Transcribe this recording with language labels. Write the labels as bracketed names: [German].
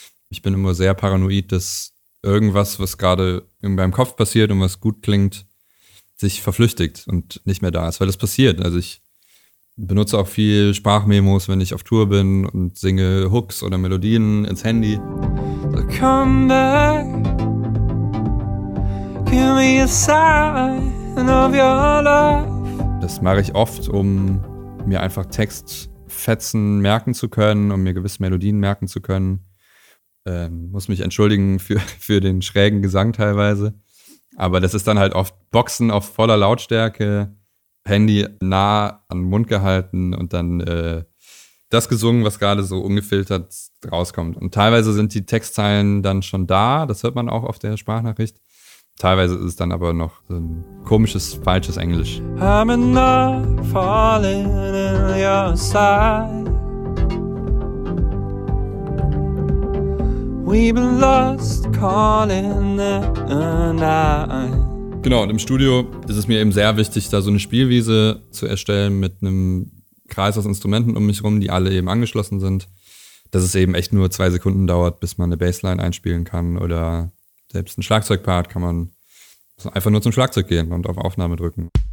[German] Ich bin immer sehr paranoid, dass irgendwas, was gerade in meinem Kopf passiert und was gut klingt, sich verflüchtigt und nicht mehr da ist, weil es passiert. Also ich benutze auch viel Sprachmemos, wenn ich auf Tour bin und singe Hooks oder Melodien ins Handy. [English] So come back, give me a sign of your love. [German] Das mache ich oft, um mir einfach Textfetzen merken zu können, um mir gewisse Melodien merken zu können. Muss mich entschuldigen für den schrägen Gesang teilweise. Aber das ist dann halt oft Boxen auf voller Lautstärke, Handy nah an den Mund gehalten und dann das gesungen, was gerade so ungefiltert rauskommt. Und teilweise sind die Textzeilen dann schon da, das hört man auch auf der Sprachnachricht. Teilweise ist es dann aber noch so ein komisches, falsches Englisch. [English] I'm not falling in your side. We've been lost calling the night. [German] Genau, und im Studio ist es mir eben sehr wichtig, da so eine Spielwiese zu erstellen mit einem Kreis aus Instrumenten um mich rum, die alle eben angeschlossen sind, dass es eben echt nur 2 Sekunden dauert, bis man eine Bassline einspielen kann oder selbst ein Schlagzeugpart kann man einfach nur zum Schlagzeug gehen und auf Aufnahme drücken.